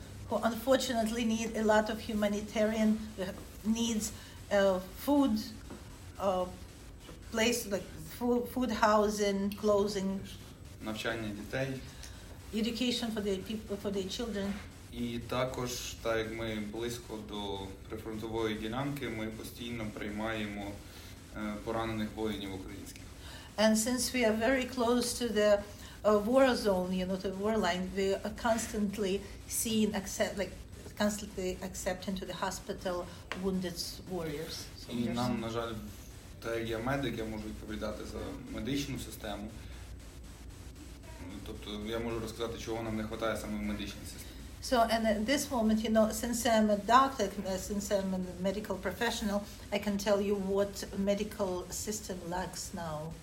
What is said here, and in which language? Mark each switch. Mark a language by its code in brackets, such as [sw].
[en] Who unfortunately need a lot of humanitarian needs, food, place like food, housing, clothing. [uk] Навчання дітей. [en] Education for their people, for their children. [uk] І також, так як ми близько до прифронтової ділянки, ми постійно приймаємо поранених воїнів українських. [en] And since we are very close to the war zone, you know, the war line, we are constantly seeing accept, like constantly accept into the hospital wounded warriors. [uk] І нам, на жаль, так як я медик, я можу відповідати за медичну систему. Тобто я можу розказати, чого нам не вистачає саме в медичній системі. [en] So, and at this moment, you know, since I'm a doctor, since I'm a medical professional, I can tell you what medical system lacks now.